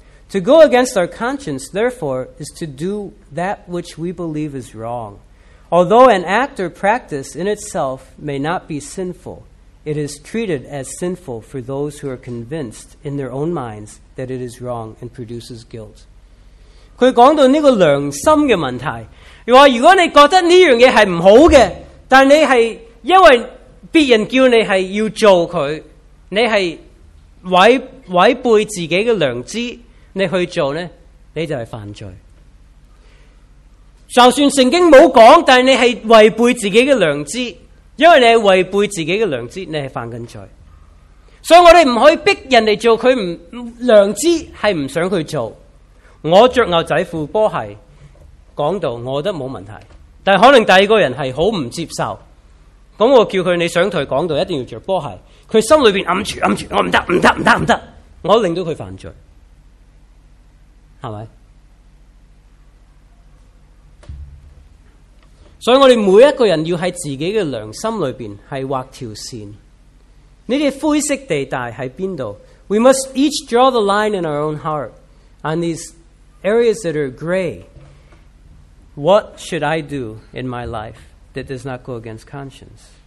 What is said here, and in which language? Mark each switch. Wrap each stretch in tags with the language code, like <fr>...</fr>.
<en>To go against our conscience, therefore, is to do that which we believe is wrong. Although an act or practice in itself may not be sinful, it is treated as sinful for those who are convinced in their own minds that it is wrong and produces guilt.</en> <zh>他讲到这个良心的问题，说如果你觉得这件事是不好的，但你是因为别人叫你是要做它，你是违背自己的良知，你去做呢，你就是犯罪。就算圣经没有讲，但你是违背自己的良知，因为你是违背自己的良知，你是犯紧罪。所以我们不可以逼人来做他良知是不想去做。我穿牛仔裤波鞋讲到我觉得没问题，但可能第二个人是很不接受，那我叫他你想他讲到一定要穿波鞋，他心里面暗住暗住，我不得不得不得不得，我令到他犯罪，是不是？所以我们每一个人要在自己的良心里面是画条线，这些灰色地带在哪里？</zh> <en>We must each draw the line in our own heart on these areas that are gray. What should I do in my life that does not go against conscience?</en>